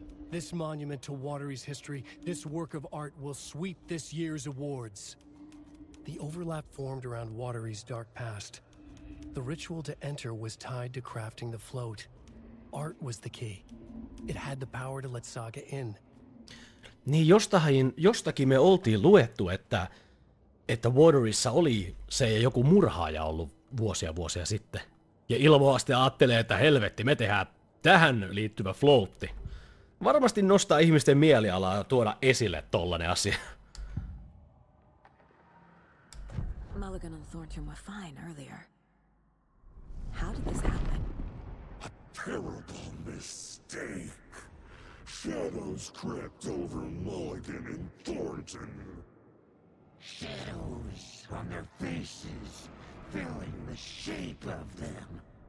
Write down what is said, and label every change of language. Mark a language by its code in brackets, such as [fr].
[en] This monument to Watery's history, this work of art will sweep this year's awards. The overlap formed around Watery's dark past. The ritual to enter was tied to crafting the float. Art was the key. It had the power to let Saga in. [fi] Niin jostakin me oltiin luettu, että Waterissa oli se joku murhaaja ollut vuosia sitten. Ja ilmoasti ajattelee, että helvetti, me tehdään tähän liittyvä floatti. Varmasti nostaa ihmisten mielialaa ja tuoda esille tollanen asia. [en] Mulligan and Thornton were fine earlier. How did this happen? A terrible mistake. Shadows crept over Mulligan and Thornton. Shadows on their faces, filling the shape of them.